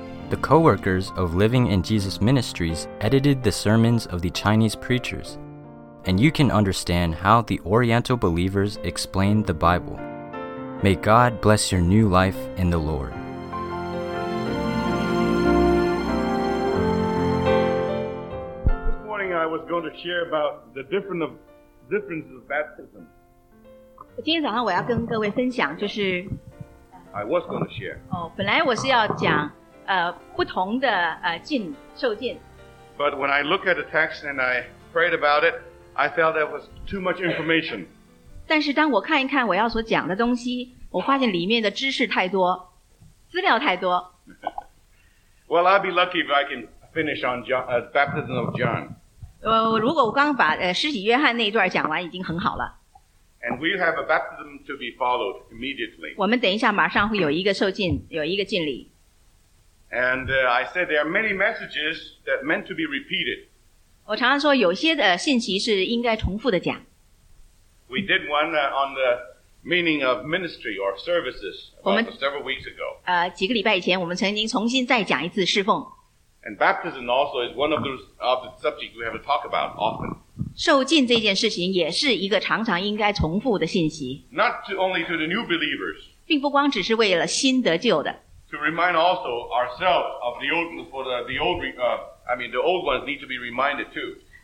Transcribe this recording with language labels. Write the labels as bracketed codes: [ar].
[en] The co-workers of Living in Jesus Ministries edited the sermons of the Chinese preachers, and you can understand how the Oriental believers explained the Bible. May God bless your new life in the Lord. This morning I was going to share about the difference of baptism. [zh] 今天早上我要跟各位分享就是 [en] I was going to share. [zh] 本来我是要讲 不同的浸受浸 [en] But when I look at the text and I prayed about it, I felt that was too much information. [zh] 但是当我看一看我要所讲的东西, 我发现里面的知识太多, 资料太多。 [en] Well, I'd be lucky if I can finish on John, baptism of John. [zh] 如果我刚把 施洗约翰那一段讲完已经很好了。 [en] And we have a baptism to be followed immediately. [zh] 我们等一下马上会有一个受浸，有一个浸礼。 [en] And I said there are many messages that are meant to be repeated. [zh] 我常常说有些的信息是应该重复的讲。 [en] We did one on the meaning of ministry or services several weeks ago. [zh] 几个礼拜以前我们曾经重新再讲一次侍奉。 [en] And baptism also is one of those of the subjects we have to talk about often. [zh] 受浸这件事情也是一个常常应该重复的信息。 [en] Not only to the new believers. [zh] 并不光只是为了新得救的。 [en] To remind also ourselves of the old, for the old, I mean the old ones need to be reminded too.